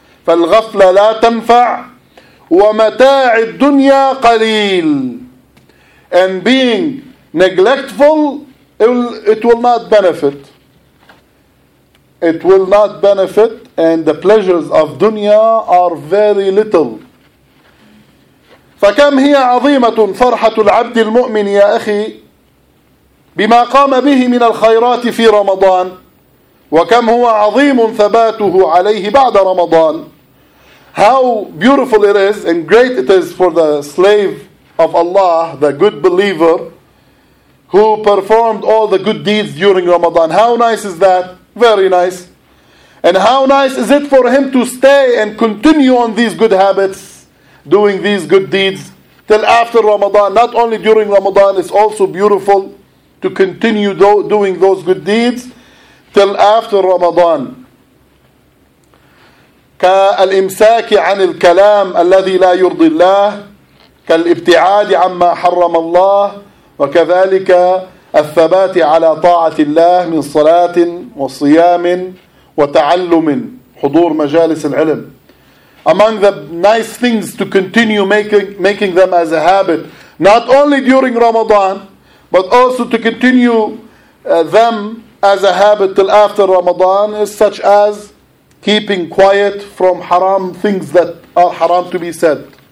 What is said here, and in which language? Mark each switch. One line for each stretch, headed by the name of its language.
Arabic: فَالْغَفْلَ لَا تَنْفَعْ وَمَتَاعِ الدُّنْيَا قَلِيلٌ.
English: And being neglectful, it will not benefit. It will not benefit, and the pleasures of dunya are very little.
Arabic: فكم هي عظيمة فرحة العبد المؤمن يا أخي بما قام به من الخيرات في رمضان، وكم هو عظيم ثباته عليه بعد رمضان.
English: How beautiful it is and great it is for the slave of Allah, the good believer, who performed all the good deeds during Ramadan. How nice is that? Very nice. And how nice is it for him to stay and continue on these good habits, doing these good deeds till after Ramadan? Not only during Ramadan, it's also beautiful to continue doing those good deeds till after Ramadan.
Arabic: كالإمساك عن الكلام الذي لا يرضي الله، كالابتعاد عما حرم الله، وكذلك الثبات على طاعة الله من صلاة وصيام وتعلم حضور مجالس العلم.
English: Among the nice things to continue making them as a habit, not only during Ramadan, but also to continue them as a habit till after Ramadan, is such as keeping quiet from haram things that are haram to be said.